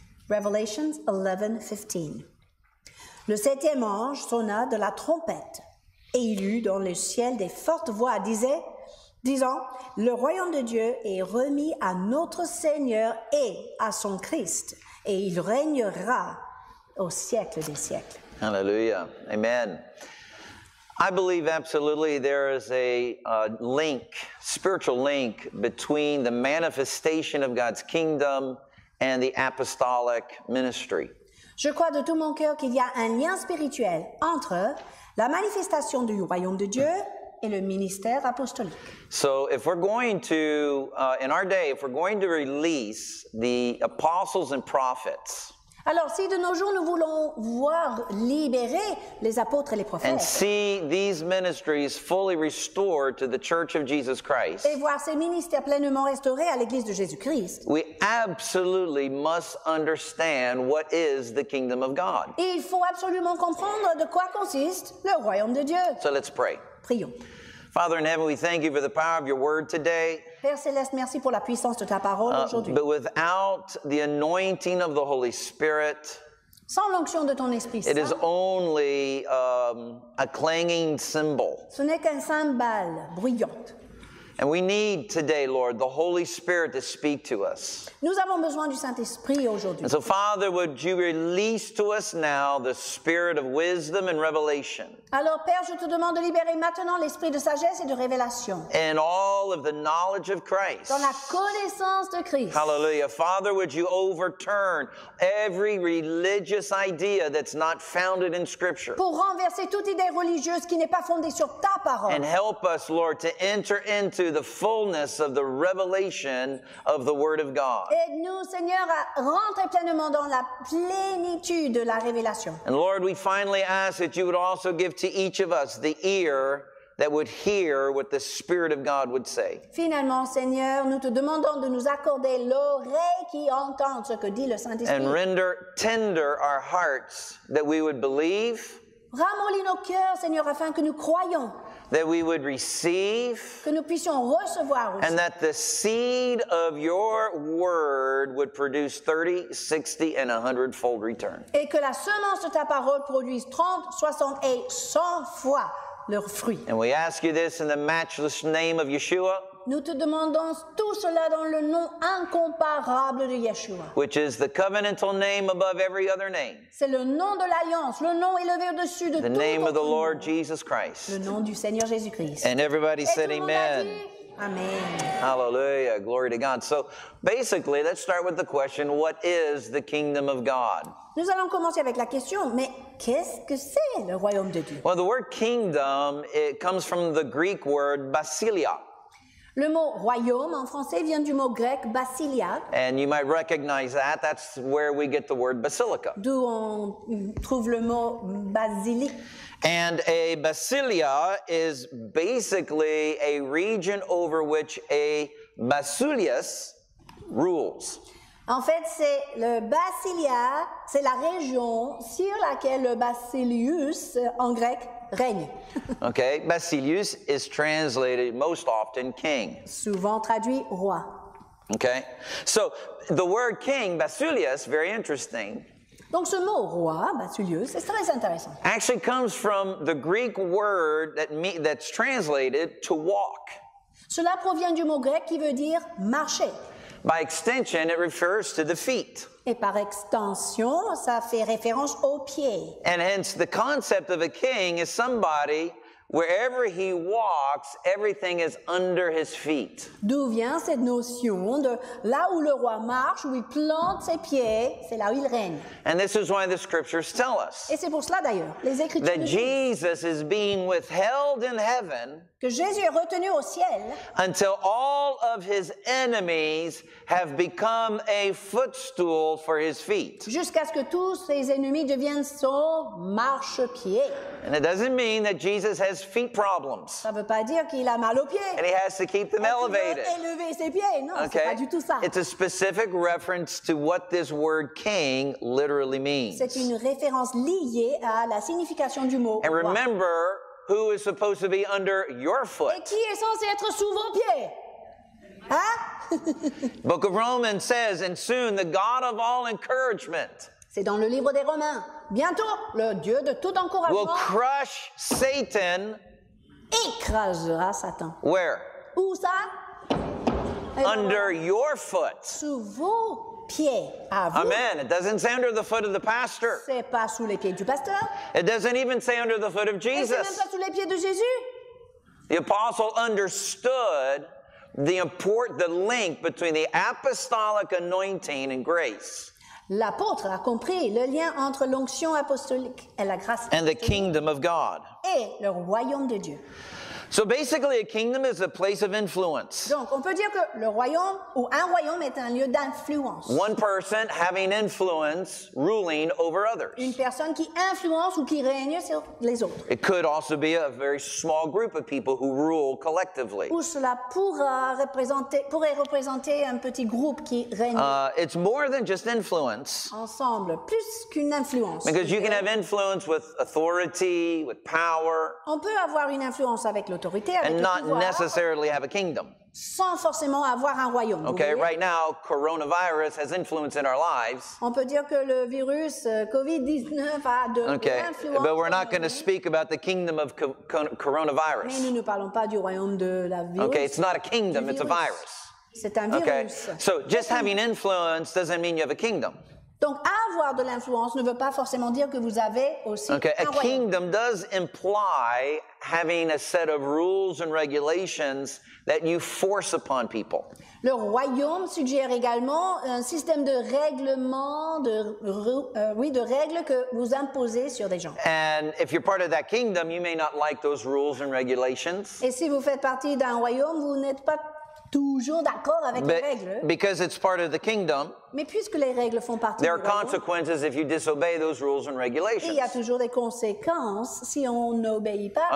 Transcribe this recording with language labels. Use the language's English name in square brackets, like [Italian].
[English] Revelations 11, 15. [French] Le septième ange sonna de la trompette. Et il eut dans le ciel des fortes voix, disant, « Le royaume de Dieu est remis à notre Seigneur et à son Christ, et il régnera au siècle des siècles. » [English] Hallelujah. Amen. I believe absolutely there is a link, spiritual link, between the manifestation of God's kingdom and the apostolic ministry. [French] Je crois de tout mon cœur qu'il y a un lien spirituel entre la manifestation du royaume de Dieu et le ministère apostolique. [English] So if we're going to, in our day, if we're going to release the apostles and prophets, [French] alors si de nos jours nous voulons voir libérer les apôtres et les prophètes, [English] and see these ministries fully restored to the Church of Jesus Christ, [French] et voir ces ministères pleinement restaurés à l'Église de Jésus-Christ, [English] we absolutely must understand what is the kingdom of God. [French] Il faut absolument comprendre de quoi consiste le royaume de Dieu. [English] So let's pray. [French] Prions. [English] Father in heaven, we thank you for the power of your word today. [French] Père céleste, merci pour la puissance de ta parole aujourd'hui. [English] But without the anointing of the Holy Spirit, [French] sans l'onction de ton esprit, [English] it is only a clanging cymbal. [French] Ce n'est qu'un cymbale bruyante. [English] And we need today, Lord, the Holy Spirit to speak to us. [French] Nous avons besoin du Saint-Esprit aujourd'hui. [English] And so, Father, would you release to us now the Spirit of wisdom and revelation? [French] Alors, Père, je te demande de libérer maintenant l'Esprit de sagesse et de révélation. [English] And all of the knowledge of Christ. [French] Dans la connaissance de Christ. [English] Hallelujah. Father, would you overturn every religious idea that's not founded in Scripture? [French] Pour renverser toute idée religieuse qui n'est pas fondée sur ta parole. [English] And help us, Lord, to enter in to the fullness of the revelation of the Word of God. [French] Aide-nous, Seigneur, à rentrer pleinement dans la plénitude de la révélation. [English] And Lord, we finally ask that you would also give to each of us the ear that would hear what the Spirit of God would say. [French] Finalement, Seigneur, nous te demandons de nous accorder l'oreille qui entend ce que dit le Saint-Esprit. [English] And render tender our hearts that we would believe. [French] Ramollis nos cœurs, Seigneur, afin que nous croyions. [English] That we would receive, [French] que nous puissions recevoir aussi, [English] and that the seed of your word would produce 30, 60, and 100-fold return. [French] Et que la semence de ta parole produise 30, 60 et 100 fois leur fruit. [English] And we ask you this in the matchless name of Yeshua. [French] Nous te demandons tout cela dans le nom incomparable de Yeshua. [English] Which is the covenantal name above every other name. [French] C'est le nom de l'alliance, le nom élevé au-dessus de tout autre nom. [English] The name of the Lord Jesus Christ. [French] Le nom du Seigneur Jésus-Christ. [English] And everybody said amen. Amen. Hallelujah. Glory to God. So basically, let's start with the question, what is the kingdom of God? [French] Nous allons commencer avec la question, mais qu'est-ce que c'est le royaume de Dieu? [English] Well, the word kingdom, it comes from the Greek word basilia. [French] Le mot royaume en français vient du mot grec basilia. [English] And you might recognize that. That's where we get the word basilica. [French] D'où on trouve le mot basilic. [English] And a basilia is basically a region over which a basileus rules. [French] En fait, c'est le basilia, c'est la région sur laquelle le basileus en grec règne. [English] Okay, Basileus is translated most often king. [French] Souvent traduit roi. [English] Okay, so the word king, Basileus, very interesting. [French] Donc ce mot roi, Basileus, c'est très intéressant. [English] Actually comes from the Greek word that's translated to walk. [French] Cela provient du mot grec qui veut dire marcher. [English] By extension, it refers to the feet. [French] Et par extension, ça fait référence aux pieds. [English] And hence, the concept of a king is somebody wherever he walks, everything is under his feet. [French] D'où vient cette notion de là où le roi marche, où il plante ses pieds, c'est là où il règne. [English] And this is why the scriptures tell us. [French] Et c'est pour cela d'ailleurs, les écritures. [English] That Jesus is being withheld in heaven. [French] Que Jésus est retenu au ciel. [English] Until all of his enemies have become a footstool for his feet. [French] Jusqu'à ce que tous ses ennemis deviennent son marchepied. [English] And it doesn't mean that Jesus has feet problems. [French] Ça veut pas dire qu'il a mal aux pieds. [English] And he has to keep them elevated. [French] Il doit élever ses pieds. Non, [English] okay. [French] C'est pas du tout ça. [English] It's a specific reference to what this word king literally means. [French] C'est une référence liée à la signification du mot. [English] And remember, who is supposed to be under your foot? [French] Et qui est censé être sous vos pieds? Hein? [English] Book of Romans says, and soon the God of all encouragement. [French] C'est dans le livre des Romains. Bientôt, le Dieu de tout encouragement. [English] Will crush Satan. [French] Écrasera Satan. [English] Where? [French] Où ça? [English] Under your foot. [French] Sous vos pieds. À vous. Amen. [English] It doesn't say under the foot of the pastor. [French] C'est pas sous les pieds du pasteur. [English] It doesn't even say under the foot of Jesus. [French] Et c'est même pas sous les pieds de Jésus. [English] The apostle understood the link between the apostolic anointing and grace. [French] L'apôtre a compris le lien entre l'onction apostolique et la grâce. [English] And the kingdom of God. [French] Et le royaume de Dieu. [English] So basically, a kingdom is a place of influence. [French] Donc, on peut dire que le royaume ou un royaume est un lieu d'influence. [English] One person having influence, ruling over others. [French] Une personne qui influence ou qui règne sur les autres. [English] It could also be a very small group of people who rule collectively. [French] Ou cela pourrait représenter un petit groupe qui règne. [English] It's more than just influence. [French] Ensemble, plus qu'une influence. [English] Because you can have influence with authority, with power. [French] On peut avoir une influence avec l'autorité, avec [English] and [French] le [English] not necessarily have a kingdom. [French] Sans forcément avoir un royaume. [English] Okay, right now, coronavirus has influence in our lives. [French] On peut dire que le virus COVID-19 a de [English] okay, [French] l'influence. [English] But we're not going to speak about the kingdom of coronavirus. [French] Mais nous ne parlons pas du royaume de la virus. [English] Okay, it's not a kingdom, it's a virus. [French] C'est un virus. [English] Okay, so just having influence doesn't mean you have a kingdom. [French] Donc avoir de l'influence ne veut pas forcément dire que vous avez aussi [English] okay, [French] un royaume. [English] A kingdom does imply having a set of rules and regulations that you force upon people. [French] Le royaume suggère également un système de règlement, de règles que vous imposez sur des gens. [English] And if you're part of that kingdom, you may not like those rules and regulations. [French] Et si vous faites partie d'un royaume, vous n'êtes pas toujours d'accord avec [English] but [French] les règles. [English] Because it's part of the kingdom, [French] mais puisque les règles font partie [English] there are consequences if you disobey those rules and regulations. [French] Il y a toujours des conséquences si on n'obéit pas